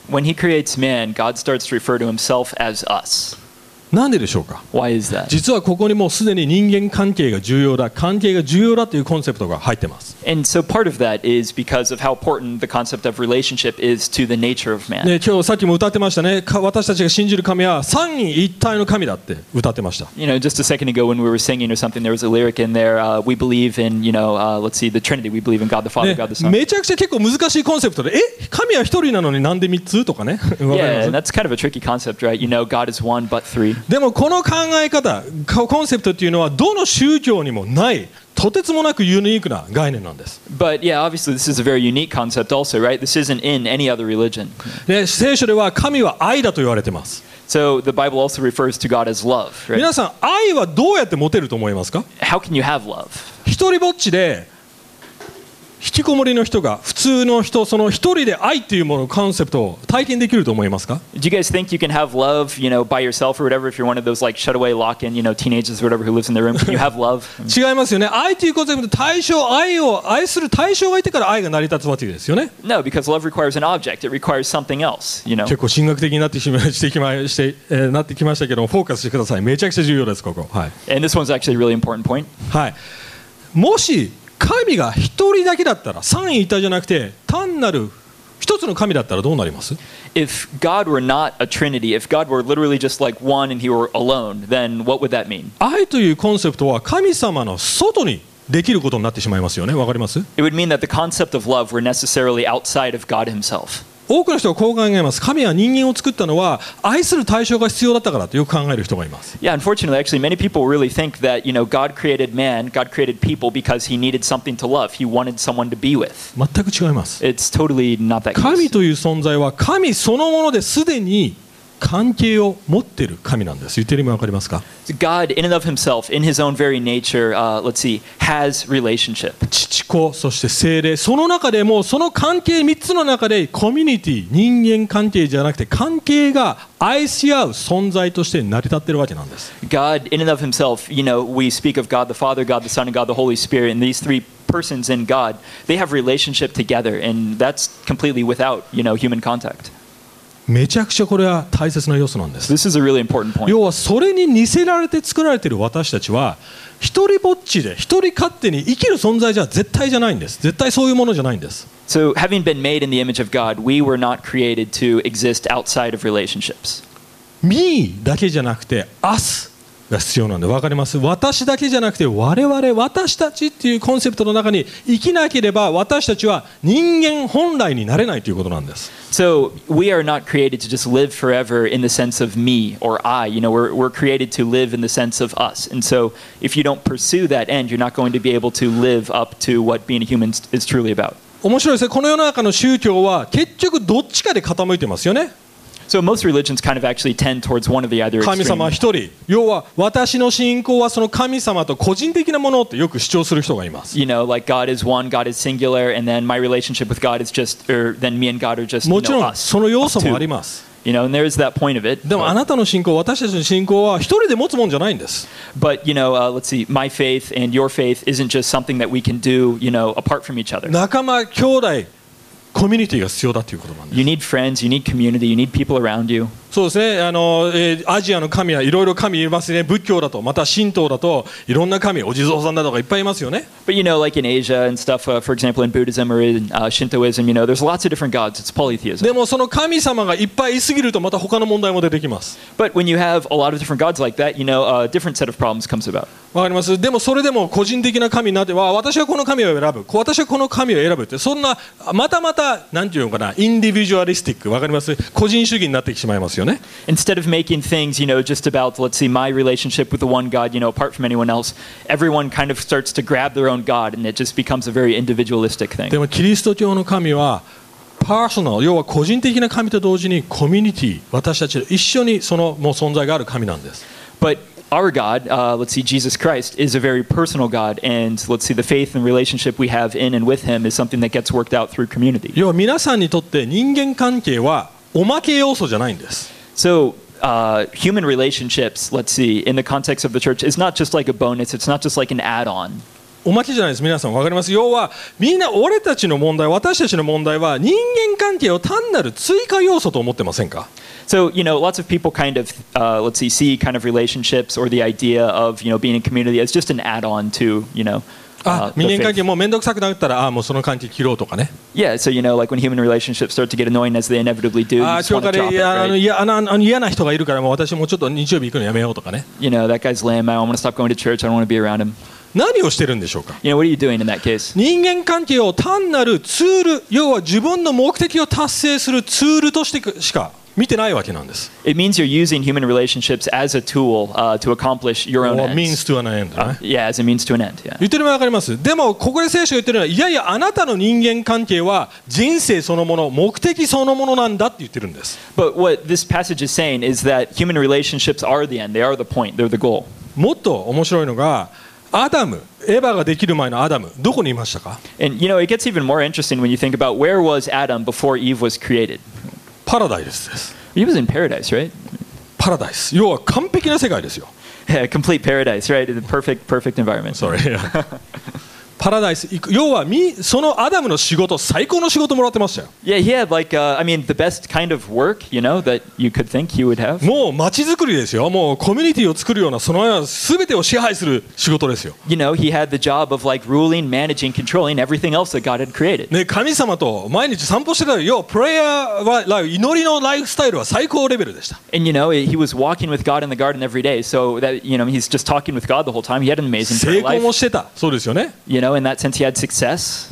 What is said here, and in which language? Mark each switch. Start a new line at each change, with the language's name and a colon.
English: When he creates man, God starts to refer to himself as us.
Japanese: なんででしょうか。
English: Why is that?
Japanese: 実はここにもうすでに人間関係が重要だ、関係が重要だというコンセプトが入ってます。
English: And so part of that is because of how important the concept of relationship is to the nature of man.
Japanese: ね、今日さっきも歌ってましたね。私たちが信じる神は三位一体の神だって歌ってました。
English: You know, just a second ago when we were singing or something, there was a lyric in there. We believe in, you know, let's see, the Trinity. We believe in God the Father,、 God the Son.
Japanese: めちゃくちゃ結構難しいコンセプトで、え、神は一人なのになんで三つとかね。
English: Yeah, and that's kind of a tricky concept, right? You know, God is one but three.
Japanese: でもこの考え方、コンセプトというのはどの宗教にもない、とてつもなくユニークな概念なんです。
English: But yeah, obviously this is a very unique concept also, right? This isn't in any other religion.
Japanese: で、聖書では神は愛だと言われてます。
English: So the Bible also refers to God as love, right?
Japanese: 皆さん、愛はどうやって持てると思いますか？
English: How can you have love?
Japanese: 一人ぼっちで、引きこもりの人が普通の人その一人で愛っていうものコンセプトを体験できると思いますか？
English: Do you guys think you can have love, you know, by yourself or whatever if you're one of those like shut away lock in, you know, teenagers or whatever who lives in their room? Can you have love?
Japanese: 違いますよね。愛っていうコンセプト対象愛を愛する対象がいてから愛が成り立つわけですよね。
English: No, because love requires an object. It requires something else. You know.
Japanese: 結構神学的になってしまいなってきましたけどもフォーカスしてください。めちゃくちゃ重要ですここ。はい。
English: And this one's actually a really important point.
Japanese: はい。もし神が一人だけだったら、三位一体じゃなくて単なる一つの神だったらどうなります？
English: If God were not a Trinity, if God were literally just like one and He were alone, then what would that mean?
Japanese: 愛というコンセプトは神様の外にできることになってしまいますよね。わかります？
English: It would mean that the concept of love were necessarily outside of God Himself.
Japanese: 多くの人はこう考えます。神は人間を作ったのは愛する対象が必要だったからとよく考える人がいます。
English: Yeah, unfortunately, actually, many people really think that, you know, God created man, God created people because he needed something to love. He wanted someone to be with. 全く違います。 It's totally not that case.
Japanese: 神という存在は神そのものですでに関係を持っている神なんです。言ってる意味わかりますか？
English: God, in and of himself, in his own very nature, let's see, has relationship.
Japanese: 父子、そして聖霊、その中でもその関係3つの中でコミュニティ、人間関係じゃなくて関係が愛し合う存在として成り立っているわけなんです。
English: God, in and of himself, you know, we speak of God the Father, God the Son, and God the Holy Spirit, and these threepersons in God, they have relationship together, and that's completely without, you know, human contact.
Japanese: めちゃくちゃこれは大切な要素なんです。
English: This is a really important point.
Japanese: 要はそれに似せられて作られている私たちは一人ぼっちで一人勝手に生きる存在じゃ絶対じゃないんです。絶対そういうものじゃないんです。
English: So having been made in the image of God, we were not created to exist outside of relationships.
Japanese: Me だけじゃなくて us が必要なんで、分かります。私だけじゃなくて我々私たちっていうコンセプトの中に生きなければ私たちは人間本来になれないということなんです。
English: So we are not created to just live forever in the sense of me or I. You know, we're created to live in the sense of us. And so if you don't pursue that end, you're not going to be able to live up to what being a human is truly about.
Japanese: 面白いですね。この世の中の宗教は結局どっちかで傾いてますよね。
English: So most religions kind of actually tend towards one of the other extremes.
Japanese: 神様一人。要は私の信仰はその神様と個人的なものってよく主張する人がいます。
English: You know, like God is one, God is singular, and then my relationship with God is just, or then me and God are just, you know, us.
Japanese: もちろんその要素もあります。
English: You know, and there is that point of it.
Japanese: でもあなたの信仰、私たちの信仰は一人で持つもんじゃないんです。
English: But, you know, let's see, my faith and your faith isn't just something that we can do, you know, apart from each other.
Japanese: 仲間、兄弟。コミュニティが必要だということなんです。
English: You need friends, you need community, you need people around you.
Japanese: そうですね。アジアの神はいろいろ神いますね。仏教だと、また神道だと、いろんな神、お地蔵さんだとかいっぱいいますよね。
English: But you know, like in Asia and stuff, for example, in Buddhism or in Shintoism, you know, there's lots of different gods. It's polytheism.
Japanese: でもその神様がいっぱいいすぎると、また他の問題も出てきます。
English: But when you have a lot of different gods like that, you know, a different set of problems comes about.
Japanese: わかります。でもそれでも個人的な神になっては、私はこの神を選ぶ、私はこの神を選ぶって、そんなまたまたなんていうのかな、インディビジュアリスティック、わかります。個人主義になってしまいますよね。
English: Instead of making things, you know, just about, let's see, my relationship with the one God, you know, apart from anyone else, everyone kind of starts to grab their own God, and it just becomes a very individualistic thing.
Japanese: でもキリスト教の神は、personal、要は個人的な神と同時に、コミュニティ、私たちと一緒にそのもう存在がある神なんです。
English: But,Our God, let's see, Jesus Christ, is a very personal God, and let's see, the faith and relationship we have in and with Him is something that gets worked out through community.
Japanese: 要は皆さんにとって人間関係はおまけ要素じゃないんです。
English: So, human relationships, let's see, in the context of the church, is not just like a bonus, it's not just like an add-on.
Japanese: おまけじゃないです、皆さん、わかります。要は、みんな俺たちの問題、私たちの問題は人間関係を単なる追加要素と思ってませんか？
English: So, you know, lots of people kind of, let's see, see kind of relationships or the idea of, you know, being in community as just an add-on to, you know, the faith. Yeah, so, you know, like when human relationships start to get annoying as they inevitably do, you just want to drop it, right? You know, that guy's lame, I don't want to stop going to church, I don't want to be around him.
Japanese: 何をしてるんでしょうか。
English: You know, what are you doing in that case?
Japanese: 人間関係を単なるツール、要は自分の目的を達成するツールとしてしか見てないわけなんです。
English: It means you're using human relationships as a tool, to accomplish your own ends. Means to an end, right? Yeah, as a means to an end, yeah.
Japanese: 言ってるのはわかります。でもここで聖書が言ってるのは、いやいや、あなたの人間関係は人生そのもの、目的そのものなんだって言ってるんです。
English: But what this passage is saying is that human relationships are the end. They are the point. They're the goal.
Japanese: もっと面白いのが、アダム、エヴァができる前のアダム、どこにいましたか？
English: And you know, it gets even more interesting when you think about where was Adam before Eve was created.
Japanese: パラダイスです。
English: He was in paradise, right?
Japanese: パラダイス。要は完璧な世界ですよ。
English: Yeah, complete paradise, right? The perfect, perfect environment. Sorry.
Japanese: パラダイス。要はそのアダムの仕事、最高の仕事もらってましたよ。
English: Yeah, he had like, I mean, the best kind of work, you know, that you could think he would have.
Japanese: もう街づくりですよ。もうコミュニティを作るような、そのような全てを支配する仕事ですよ。
English: You know, he had the job of like ruling, managing, controlling everything else that God had created.
Japanese: ね、神様と毎日散歩してた。要はプレイヤーは、祈りのライフスタイルは最高レベルでした。
English: And you know, he was walking with God in the garden every day, so that, you know, he's just talking with God the whole time. He had an amazing prayer life.
Japanese: 成功もしてた。そうですよね。
English: You know,In that sense, he had success.